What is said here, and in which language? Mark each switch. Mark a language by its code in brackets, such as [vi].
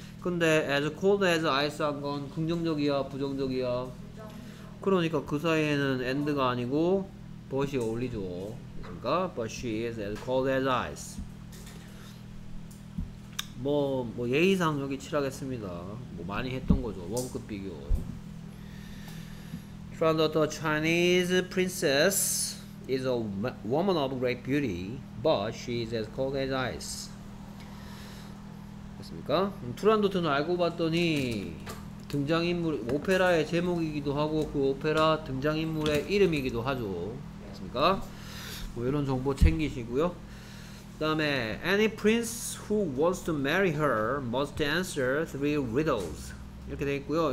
[ko] 근데 [en] as cold as ice [ko] 한 건 긍정적이야, 부정적이야? 그러니까 그 사이에는 and가 아니고 but이 어울리죠. [en] But she is as cold as ice. [ko] 뭐 예의상 여기 칠하겠습니다. 뭐 많이 했던 거죠. 워급 비교. [en] From the Chinese princess is a woman of great beauty, but she is as cold as ice. [ko] 됐습니까? 투란도트는 알고 봤더니 등장인물 오페라의 제목이기도 하고 그 오페라 등장인물의 이름이기도 하죠. 됐습니까? 뭐 이런 정보 챙기시고요. [en] 다음에 any prince who wants to marry her must answer three riddles. [ko] 이렇게 돼 있고요.